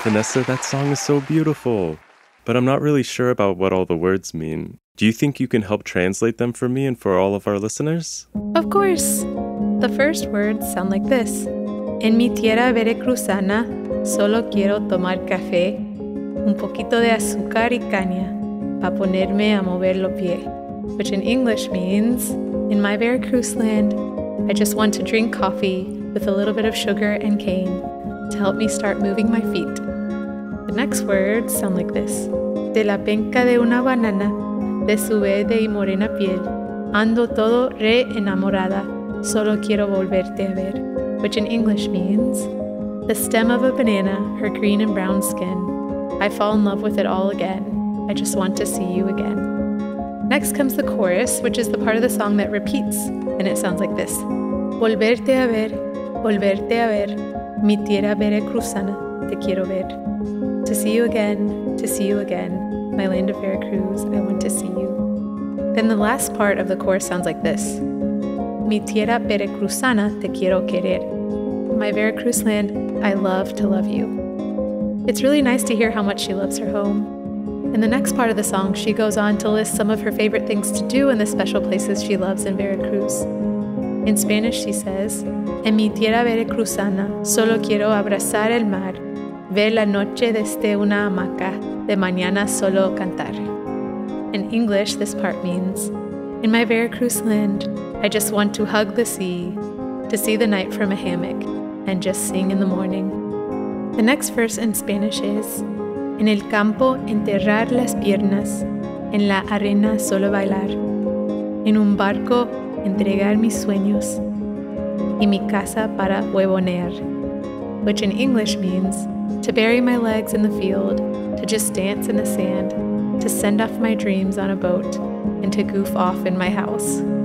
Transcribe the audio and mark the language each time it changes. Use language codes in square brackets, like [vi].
[en] So that song is so beautiful, but I'm not really sure about what all the words mean. Do you think you can help translate them for me and for all of our listeners? Of course. The first words sound like this. [es] En mi tierra veracruzana, solo quiero tomar café, un poquito de azúcar y caña, pa' ponerme a mover los pies. [en] Which in English means, in my Veracruz land, I just want to drink coffee with a little bit of sugar and cane to help me start moving my feet. The next words sound like this. [es] De la penca de una banana, de su verde y morena piel, ando todo re enamorada, solo quiero volverte a ver. [en] Which in English means, the stem of a banana, her green and brown skin, I fall in love with it all again, I just want to see you again. Next comes the chorus, which is the part of the song that repeats, and it sounds like this. [es] Volverte a ver, volverte a ver, mi tierra veracruzana, te quiero ver. [en] To see you again, to see you again, my land of Veracruz, I want to see you. Then the last part of the chorus sounds like this. [es] Mi tierra veracruzana, te quiero querer. [en] My Veracruz land, I love to love you. It's really nice to hear how much she loves her home. In the next part of the song, she goes on to list some of her favorite things to do in the special places she loves in Veracruz. In Spanish, she says, [es] En mi tierra veracruzana, solo quiero abrazar el mar, ver la noche desde una hamaca, de mañana solo cantar. [en] In English, this part means, In my Veracruz land, I just want to hug the sea, to see the night from a hammock, and just sing in the morning. The next verse in Spanish is, [es] En el campo enterrar las piernas, en la arena solo bailar, en un barco entregar mis sueños, y mi casa para huevonear, [en] which in English means, to bury my legs in the field, to just dance in the sand, to send off my dreams on a boat, and to goof off in my house.